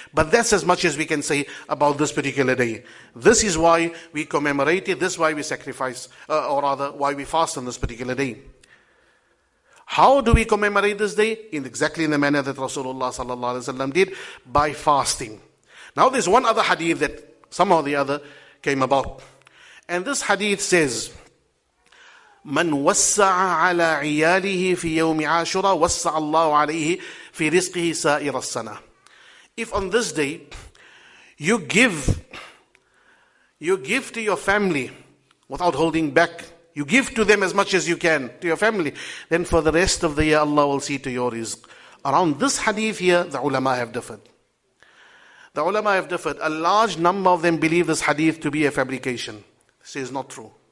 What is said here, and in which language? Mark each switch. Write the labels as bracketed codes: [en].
[en] But that's as much as we can say about this particular day. This is why we commemorate it. This is why we sacrifice, why we fast on this particular day. How do we commemorate this day? In exactly in the manner that Rasulullah sallallahu alaihi wasallam did, by fasting. Now there's one other hadith that somehow or the other came about. And this hadith says, [ar] من وسع على عياله في يوم عاشوراء وسع الله عليه في رزقه سائر السنة. [en] If on this day you give to your family without holding back, you give to them as much as you can to your family, then for the rest of the year Allah will see to your rizq. Around this hadith here, the ulama have differed. A large number of them believe this hadith to be a fabrication. This is not true.